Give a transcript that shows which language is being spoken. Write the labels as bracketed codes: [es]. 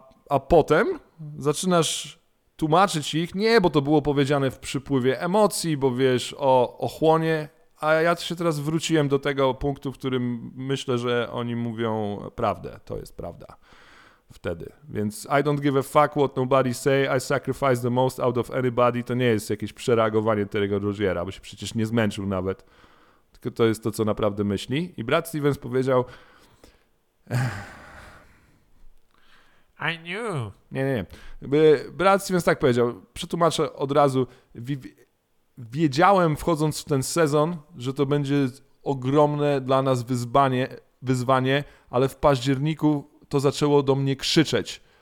[pl] A potem zaczynasz tłumaczyć ich, nie, bo to było powiedziane w przypływie emocji, bo wiesz, o ochłonie. A ja się teraz wróciłem do tego punktu, w którym myślę, że oni mówią prawdę. To jest prawda. Wtedy. [en] Więc I don't give a fuck what nobody say. I sacrifice the most out of anybody. [pl] To nie jest jakieś przereagowanie Terry'ego Rozier'a, bo się przecież nie zmęczył nawet. Tylko to jest to, co naprawdę myśli. I Brad Stevens powiedział... [en] I knew. [pl] Nie. Brad Stevens tak powiedział. Przetłumaczę od razu... Wiedziałem, wchodząc w ten sezon, że to będzie ogromne dla nas wyzwanie, ale w październiku to zaczęło do mnie krzyczeć.